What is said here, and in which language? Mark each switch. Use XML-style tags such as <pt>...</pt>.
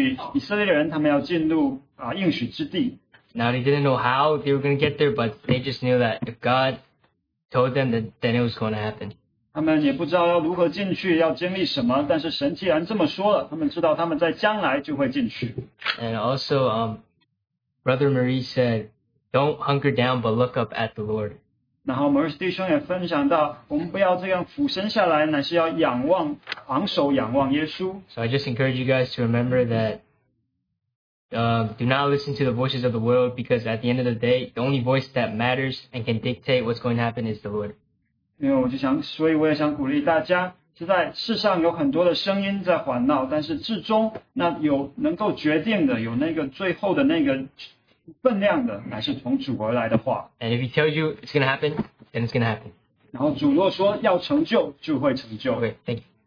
<zh>那一个例子就是神应许以色列人他们要进入, 应许之地。</zh> <en>Now they didn't know how they were going to get there, but they just knew that if God told them that then it was going to happen.</en> <zh>他们也不知道要如何进去,要经历什么,但是神既然这么说了,他们知道他们在将来就会进去。</zh> <en>And also, Brother Marie said, don't hunker down, but look up at the Lord.</en> <zh>然后Maurice弟兄也分享到,我们不要这样俯身下来,乃是要仰望,昂首仰望耶稣。</zh> <en>So I just encourage you guys to remember that, do not listen to the voices of the world, because at the end of the day, the only voice that matters and can dictate what's going to happen is the Lord.</en> <zh>因为我就想所以我也想鼓励大家，是在世上有很多的声音在环绕，但是至终那有能够决定的，有那个最后的那个分量的，乃是从主而来的话。</zh> <en>And if he tells you it's going to happen, then it's going to happen.</en> <zh>然后主若说要成就，就会成就。</zh> <en>Okay, thank you.</en>